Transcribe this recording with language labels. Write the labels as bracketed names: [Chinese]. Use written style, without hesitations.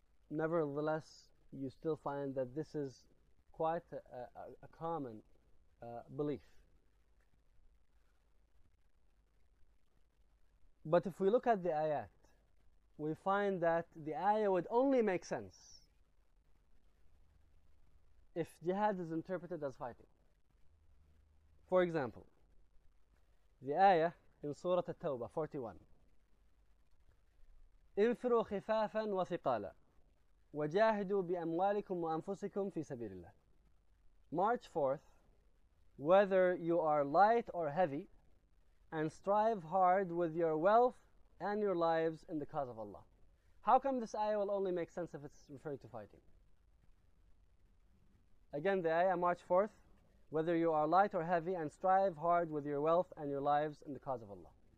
[English] Nevertheless, you still find that this is quite a common belief. But if we look at the ayat, we find that the ayah would only make sense if jihad is interpreted as fighting. For example, the ayah in Surah At-Tawbah 41, [Arabic] انفروا خفافا وثقالا وجاهدوا بأموالكم وأنفسكم في سبيل الله. [English] March forth, whether you are light or heavy, and strive hard with your wealth and your lives in the cause of Allah. How come this ayah will only make sense if it's referring to fighting? Again, the ayah, March 4th, whether you are light or heavy, and strive hard with your wealth and your lives in the cause of Allah.